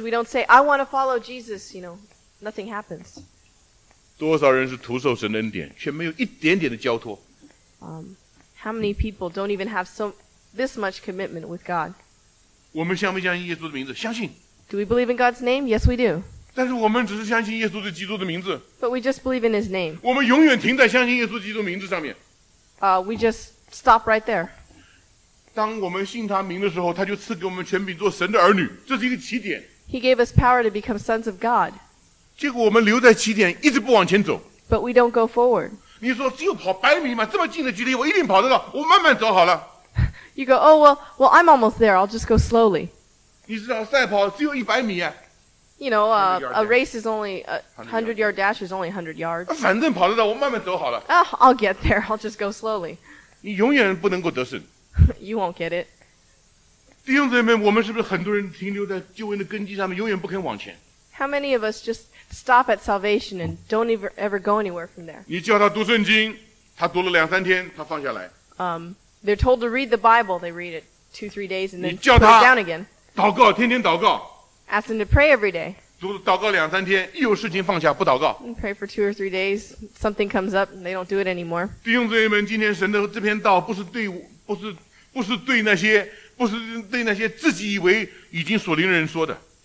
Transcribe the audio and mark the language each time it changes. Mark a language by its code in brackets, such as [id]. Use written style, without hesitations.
[en] We don't say, I want to follow Jesus, you know, nothing happens. [zh] 多少人是徒受神的恩典，却没有一点点的交托。 [en] How many people don't even have this much commitment with God? [zh] 我们相不相信耶稣的名字？相信。 [en] Do we believe in God's name? Yes, we do. [zh] 但是我们只是相信耶稣的基督的名字。 [en] But we just believe in his name. [zh] 我们永远停在相信耶稣基督名字上面。 [en] We just stop right there. [zh] 当我们信他名的时候，他就赐给我们权柄做神的儿女，这是一个起点。 [en] He gave us power to become sons of God. [zh] 结果我们留在起点，一直不往前走。 [en] But we don't go forward. [zh] 你说只有跑百米嘛，这么近的距离，我一定跑得到，我慢慢走好了。 [en] You go, oh well, I'm almost there. I'll just go slowly. [zh] 你知道赛跑只有一百米啊。 [en] You know, a race is only a 100-yard dash is only 100 yards. [zh] 反正跑得到，我慢慢走好了。 [en] I'll get there. I'll just go slowly. [zh] 你永远不能够得胜。 [en] You won't get it. [zh] 弟兄姊妹们，我们是不是很多人停留在救恩的根基上面，永远不肯往前？ [en] How many of us just stop at salvation and don't ever go anywhere from there? [zh] 你叫他读圣经，他读了两三天，他放下来。 [en] They're told to read the Bible, they read it 2-3 days and then put it down again. [zh] 祷告，天天祷告。 [en] Ask them to pray every day. [zh] 祷告两三天，一有事情放下，不祷告。 [en] Pray for 2-3 days, something comes up, and they don't do it anymore. [zh] 弟兄姊妹们，今天神的这篇道不是对我。不是对那些自己以为已经属灵的人说的。